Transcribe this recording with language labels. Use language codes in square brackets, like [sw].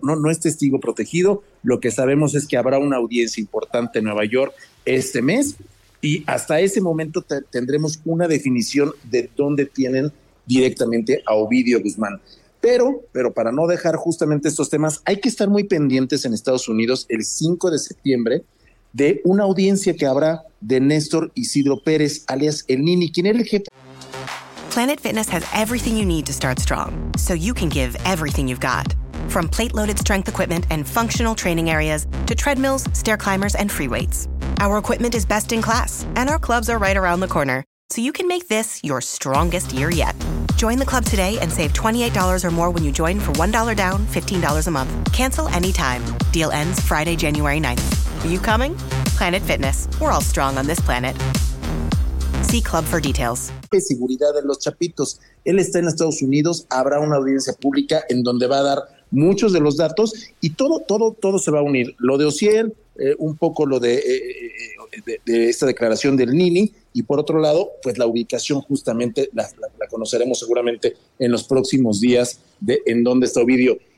[es] No es testigo protegido. Lo que sabemos es que habrá una audiencia importante en Nueva York este mes y hasta ese momento tendremos una definición de dónde tienen directamente a Ovidio Guzmán. Pero para no dejar justamente estos temas, hay que estar muy pendientes en Estados Unidos el 5 de septiembre de una audiencia que habrá de Néstor Isidro Pérez, alias El Nini, quien era el jefe. [en] Planet Fitness has everything you need to start strong, so you can give everything you've got. From plate-loaded strength equipment and functional training areas to treadmills, stair climbers, and free weights. Our equipment is best in class, and our clubs are right around the corner. So you can make this your strongest year yet. Join the club today and save $28 or more when you join for $1 down, $15 a month. Cancel anytime. Deal ends Friday, January 9th. Are you coming? Planet Fitness. We're all strong on this planet. see club for details. [es] De seguridad de los chapitos. Él está en Estados Unidos, habrá una audiencia pública en donde va a dar muchos de los datos y todo se va a unir. Lo de Osiel, un poco lo de esta declaración del Nini, y por otro lado, pues la ubicación justamente la conoceremos seguramente en los próximos días de en dónde está Ovidio.